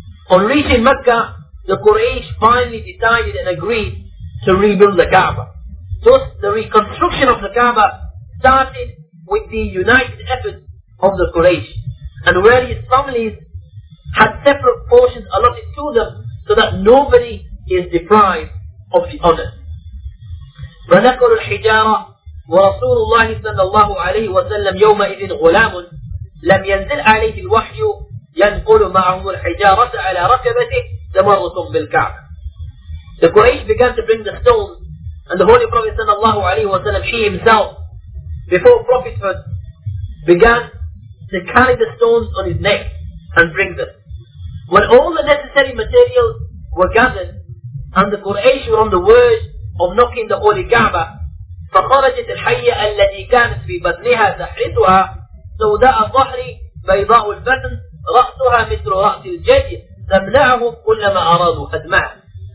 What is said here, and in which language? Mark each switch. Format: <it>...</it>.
<en>On reaching Mecca, the Quraysh finally decided and agreed to rebuild the Kaaba. Thus, the reconstruction of the Kaaba started with the united efforts of the Quraysh, and various families had separate portions allotted to them so that nobody is deprived of the honor.</en> <ar>فنقل الحجارة ورسول الله صلى الله عليه وسلم يومئذ غلام لم ينزل عليه الوحي ينقل معه الحجارة على ركبته تمرة بالكعبة.</ar> <en>The Quraysh began to bring the stones, and the Holy Prophet sallallahu alaihi wasallam, he himself, before prophethood, began to carry the stones on his neck and bring them. When all the necessary materials were gathered, and the Quraysh were on the verge of knocking the Holy Kaaba,</en> <ar>فَخَرَجَتِ الْحَيَّةَ الَّذِي كَانَتْ فِي بَطْنِهَا تَحْرِثُهَا سَوْدَاءَ الظَّهْرِ بَيْضَاءُ الْبَطْنِ رَأْسُهَا مِثْلُ رَأْسِ الْجَدِّ تَمْنَعَهُمْ كُلَّمَا أَرَادُوا هَدْمَهَا.</ar>